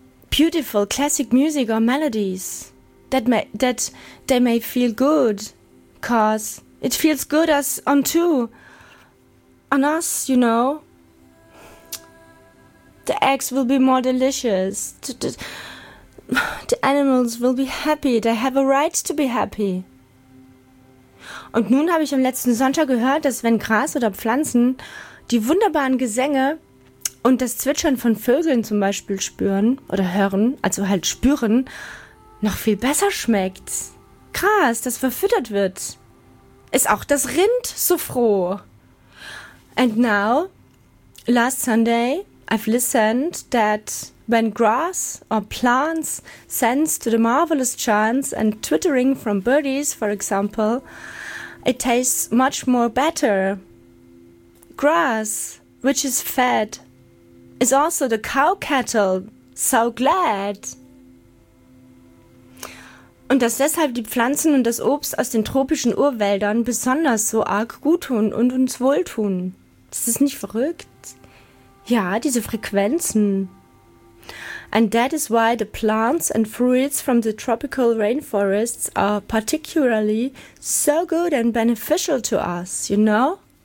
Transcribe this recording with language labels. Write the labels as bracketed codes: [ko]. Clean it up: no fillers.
[en] Beautiful classic music or melodies. That they may feel good, 'cause it feels good as on too, on us, you know. The eggs will be more delicious. The animals will be happy. They have a right to be happy. [de] Und nun habe ich am letzten Sonntag gehört, dass wenn Gras oder Pflanzen die wunderbaren Gesänge und das Zwitschern von Vögeln zum Beispiel spüren oder hören, also halt spüren, noch viel besser schmeckt. Gras, das verfüttert wird. Ist auch das Rind so froh. [en] And now, last Sunday, I've listened that when grass or plants sense to the marvelous chants and twittering from birdies, for example, it tastes much more better. Grass, which is fed, is also the cow cattle so glad. [de] Und dass deshalb die Pflanzen und das Obst aus den tropischen Urwäldern besonders so arg gut tun und uns wohltun. Das ist nicht verrückt? Ja, diese Frequenzen. [en] And that is why the plants and fruits from the tropical rainforests are particularly so good and beneficial to us, you know?